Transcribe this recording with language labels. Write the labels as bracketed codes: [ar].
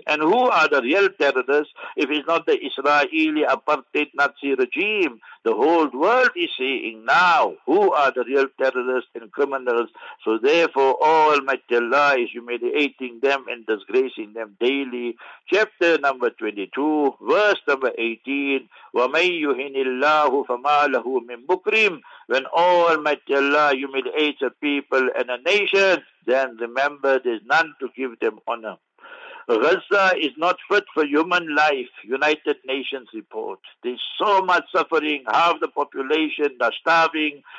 [en] And who are the real terrorists if it's not the Israeli apartheid Nazi regime? The whole world is seeing now who are the real terrorists and criminals. So therefore, Almighty Allah is humiliating them and disgracing them daily. Chapter number 22, verse number 18, [ar] وَمَنْ يُهِنِ اللَّهُ فَمَا لَهُ مِنْ مُكْرِمٍ. [en] When Almighty Allah humiliates a people and a nation, then remember there's none to give them honor. Gaza is not fit for human life, United Nations report. There's so much suffering. Half the population are starving.